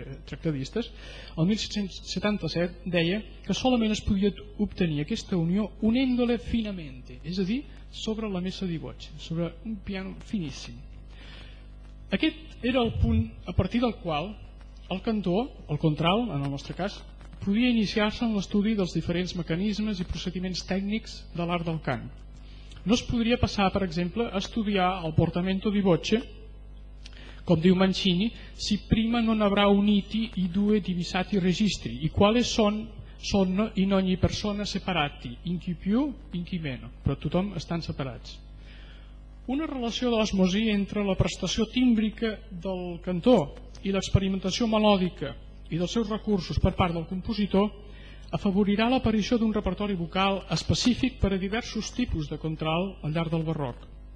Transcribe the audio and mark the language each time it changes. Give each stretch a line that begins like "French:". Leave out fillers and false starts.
Catalan: tractadistes, el 1777 deia que solament es podia obtenir aquesta unió
Italian: unendole finamente,
Catalan: és a dir, sobre la mesa di voce, sobre un piano finíssim. Aquest era el punt a partir del qual el cantor, el contralt en el nostre cas, podia iniciar-se en l'estudi dels diferents mecanismes i procediments tècnics de l'art del cant. No es podria passar, per exemple, a estudiar el portamento di voce, com diu Mancini,
Italian: si prima non avrà uniti i due divisati registri, i quali son in ogni persona separati, in chi più, in chi meno,
Catalan: però tothom estan separats. Una relació de l'osmosi entre la prestació tímbrica del cantor i l'experimentació melòdica i dels seus recursos per part del compositor afavorirà l'aparició d'un repertori vocal específic per a diversos tipus de contralt al llarg del barroc.